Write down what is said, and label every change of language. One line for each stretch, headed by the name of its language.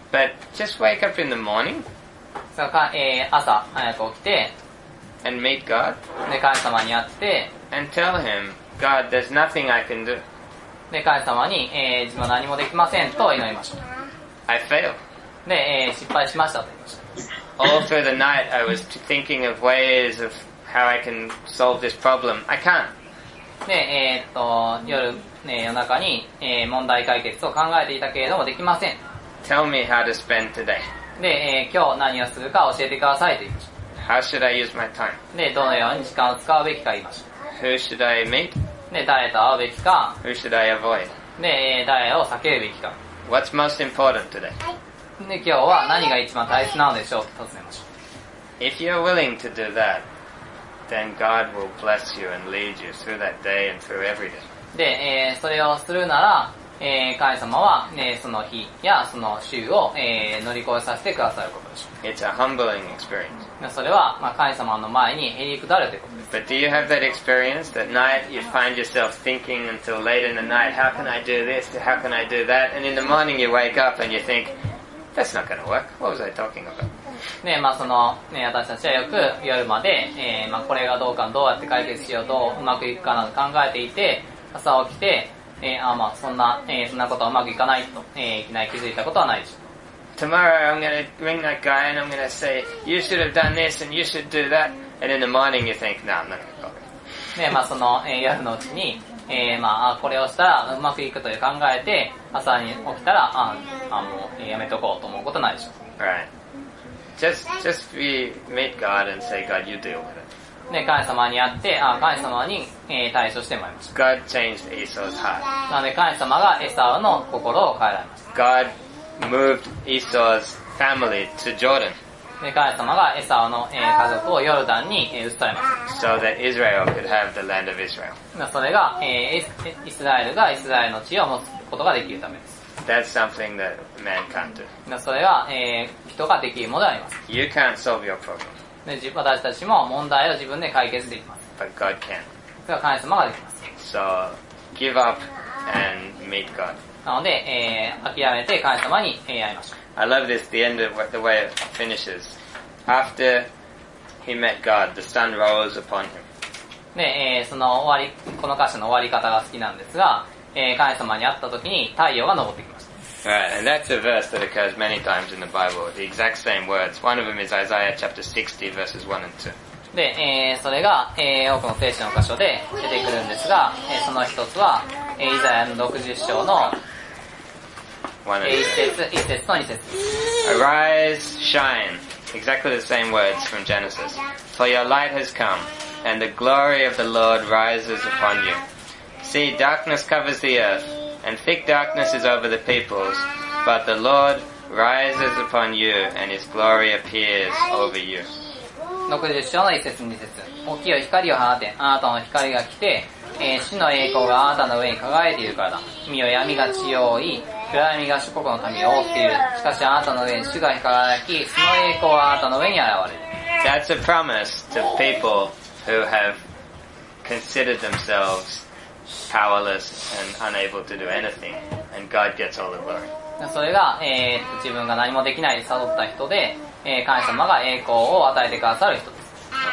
English: But just wake up in the morning.
Japanese: 朝早く起きて
English: And meet God.
Japanese: で、神様に会って
English: And tell him, God, there's nothing I can do.
Japanese: で、神様に、自分は何もできませんと祈りました。
English: I failed.
Japanese: で、失敗しましたと言いました。
English: All through the night, I was thinking of ways of how I can solve this problem. I can't.
Japanese: で、夜、夜中に、問題解決を考えていたけれどもできません。
English: Tell me how to spend today.
Japanese: で、今日何をするか教えてくださいと言いました。
English: How should I use my time?
Japanese: で、どのように時間を使うべきか言いました。
English: Who should I meet?
Japanese: で、誰と会うべきか。
English: Who should I avoid?
Japanese: で、誰を避けるべきか。
English: What's most important today?
Japanese: で、今日は何が一番大切なのでしょうと尋ねました。
English: If you're willing to do that, then God will bless you and lead you through that day and through every day.
Japanese: で、それをするなら、神様は、その日やその週を、乗り越えさせてくださることでしょう。
English: It's a humbling experience.
Japanese: それは、まあ、神様の前にへりくだるということです。
English: But do you have that experience that night you find yourself thinking until late in the night, how can I do this, how can I do that, and in the morning you wake up and you think, that's not going to work, what was I talking about?
Japanese: ね、まあその、ね、私たちはよく夜まで、まあこれがどうかどうやって解決しようどううまくいくかなど考えていて朝起きて、あまあそんなことはうまくいかないと、いきなり気づいたことはないでしょう。
English: Tomorrow I'm gonna ring that guy and I'm gonna say you should have done this and you should do that and in the morning you think no I'm not gonna go.
Japanese: ね、まあその、夜のうちに、まあこれをしたらうまくいくという考えて朝に起きたらあもうやめとこうと思うことないでしょう。
English: Right. Just be meet God and say, God, you deal with it.
Japanese: ね、神様に会って、あ、神様に、対処してもらいました。
English: God changed Esau's heart.
Japanese: なので、神様がエサウの心を変えられました。
English: God moved Esau's family to Jordan.
Japanese: ね、神様がエサウの、家族をヨルダンに、移されました。
English: So that Israel could have the land of Israel.
Japanese: な、それが、イスラエルがイスラエルの地を持つことができるためです。
English: That's something that man can't do.
Japanese: それは、人ができるものであります。
English: You can't solve your problem.
Japanese: 私たちも問題を自分で解決できます。
English: But God can.
Japanese: それは神様ができます。
English: So, give up and meet God.
Japanese: なので、諦めて神様に会いましょう。
English: I love this, the end of the way it finishes. After he met God, the sun rose upon him.
Japanese: で、その終わり、この歌詞の終わり方が好きなんですが、神様に会った時に太陽が昇ってきました。
English: Right, and that's a verse that occurs many times in the Bible. The exact same words. One of them is Isaiah chapter 60 verses 1 and 2.
Japanese: で、それが、多くの聖書の箇所で出てくるんですが、その一つは、イザヤの60章の1節と2節。
English: Arise, shine. Exactly the same words from Genesis. For your light has come, and the glory of the Lord rises upon you. See, darkness covers the earth. And thick darkness is over the peoples, but the Lord rises upon you, and His glory appears over you.
Japanese: 60章の1節2節。大きい光を放て、あなたの光が来て、主の栄光があなたの上に輝いているからだ。身を闇が強い、暗闇が諸国の民を覆っている。しかしあなたの上に主が輝き、その栄光はあなたの上に現れる。
English: That's a promise to people who have considered themselves. Powerless and unable to do anything, and God gets all the glory.
Japanese: それが、自分が何もできないと悟った人で、神様が栄光を与えてくださる人です。